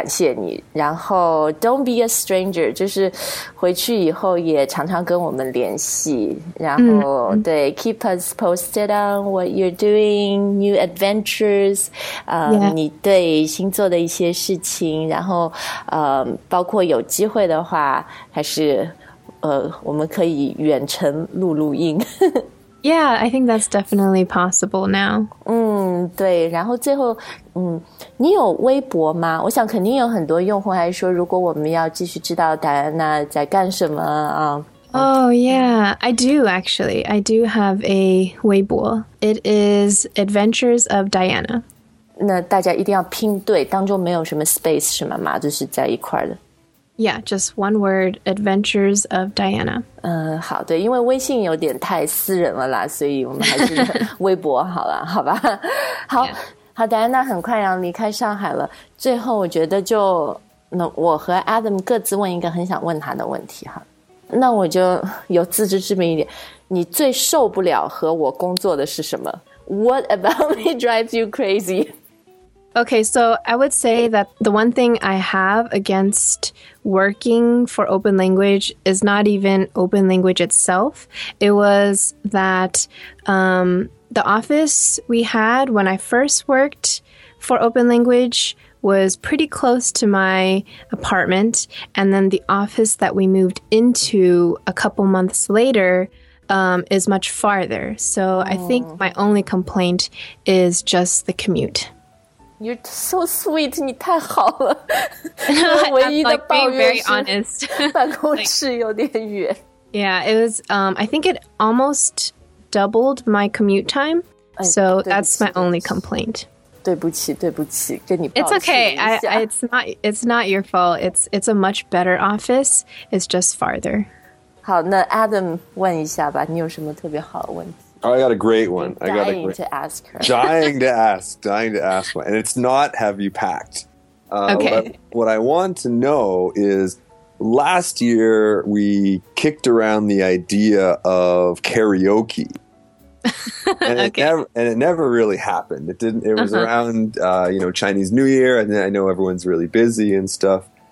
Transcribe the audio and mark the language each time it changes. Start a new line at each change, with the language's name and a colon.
Chinese: 因为有你们啊，所以特别特别感谢你。然后
English: don't be a stranger，
Chinese: 就是回去以后也常常跟我们联系。然后对
English: keep us posted on what you're doing, new adventures，
Chinese: 你对新做的一些事情，然后包括有机会的话，还是我们可以远程录录音。
English: Yeah, I think that's definitely possible now.
Chinese: 对，然后最后，你有微博吗？我想肯定有很多用户还是说，如果我们要继续知道戴安娜在干什么啊。
English: Oh, yeah, I do, actually. I do have a Weibo. It is Adventures of Diana.
Chinese: 那大家一定要拼对，当中没有什么space是吗？就是在一块的。
English: Yeah, just one word, Adventures of Diana.
Chinese: 好的，因为微信有点太私人了啦，所以我们还是微博好了，好吧？好，好，Diana很快要离开上海了。最后，我觉得就那我和 Adam 各自问一个很想问他的问题哈。那我就有自知之明一点，你最受不了和我工作的是什么？
English: What about me drives you crazy? Okay, so I would say that the one thing I have against working for Open Language is not even Open Language itself. It was that the office we had when I first worked for Open Language was pretty close to my apartment, and then the office that we moved into a couple months later is much farther. So I think my only complaint is just the commute. You're so sweet.
Chinese: 你太好了。唯一的抱怨是办公室有点远。
English: Yeah, it was, I think it almost doubled my commute time. So that's my only complaint.
Chinese: 对不起，对不起，跟你抱歉。
English: It's okay. It's not your fault. It's a much better office. It's just farther.
Chinese: 好，那 Adam 问一下吧，你有什么特别好的问题？
English: Oh, I got a great one. I'm dying to ask her. Dying to ask one. And it's not, have you packed? Okay. What I want to know is, last year we kicked around the idea of karaoke. and it never really happened. It was around, Chinese New Year, and I know everyone's really busy and stuff.